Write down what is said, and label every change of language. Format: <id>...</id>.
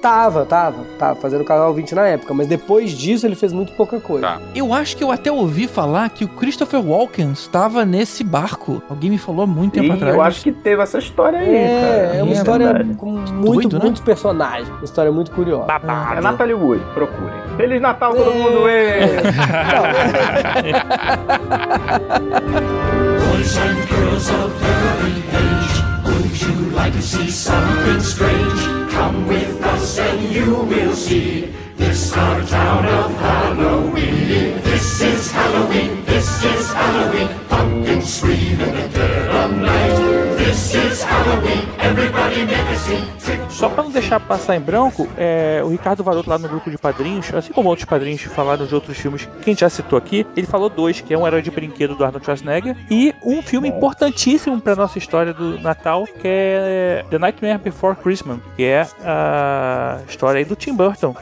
<pt>Tava fazendo Casal 20 na época, mas depois disso ele fez muito pouca coisa. Tá. Eu acho que eu até ouvi falar que o Christopher Walken estava nesse barco. Alguém me falou há muito tempo atrás. Eu acho que teve essa história aí, cara. É uma história com muito, doido, muito, né? Personagem. Uma história muito curiosa. Babado. É Natalie Wood, procurem. Feliz Natal, todo mundo!</pt> <en>Boys and girls of every age, wouldn't you like to see something strange? Come with us and you will see, this our town of Halloween. This is Halloween, this is Halloween, pumpkins scream in the dead of night.</en> <pt>Só pra não deixar passar em branco, o Ricardo Varotto lá no grupo de padrinhos, assim como outros padrinhos falaram de outros filmes que a gente já citou aqui, ele falou dois, que é um Herói de Brinquedo do Arnold Schwarzenegger e um filme importantíssimo pra nossa história do Natal, que é The Nightmare Before Christmas, que é a história aí do Tim Burton.</pt>